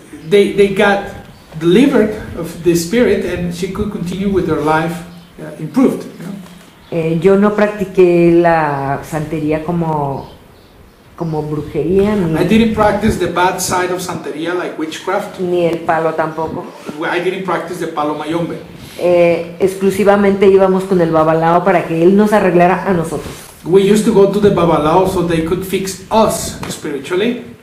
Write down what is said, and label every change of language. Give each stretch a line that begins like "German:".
English: They got delivered of the spirit and she could continue with her life improved.
Spanish: Yo no practiqué la santería como brujería.
English: I didn't practice the bad side of santería like witchcraft.
Spanish: Ni el palo tampoco.
English: I didn't practice the palo mayombe.
Spanish: Exclusivamente íbamos con el babalao para que él nos arreglara a nosotros.
English: We used to go to the babalao so they could fix us spiritually.